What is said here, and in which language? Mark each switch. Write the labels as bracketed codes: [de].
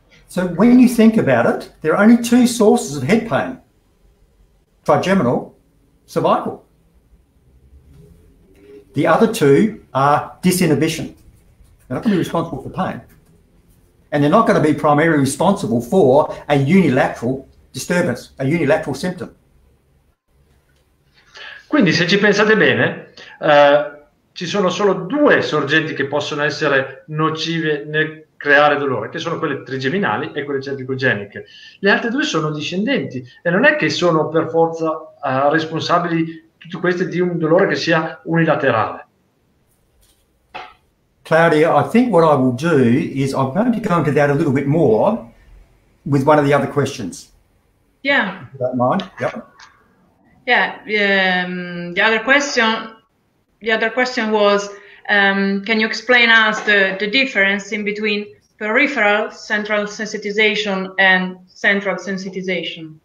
[en] So when you think about it, there are only two sources of head pain: trigeminal, cervical. The other two are disinhibition. They're not going to be responsible for pain. And they're not going to be primarily responsible for a unilateral disturbance, a unilateral symptom. [it] Quindi, se ci pensate bene, ci sono solo due sorgenti che possono essere nocive nel creare dolore, che sono quelle trigeminali e quelle cervicogeniche. Le altre due sono discendenti, e non è che sono per forza responsabili tutte queste di un dolore che sia unilaterale. [en] Claudia, I think what I will do is I'm going to go into that a little bit more with one of the other questions. Yeah. If you don't mind. Yep. Yeah. The other question was, can you explain us the difference in between peripheral central sensitization and central sensitization?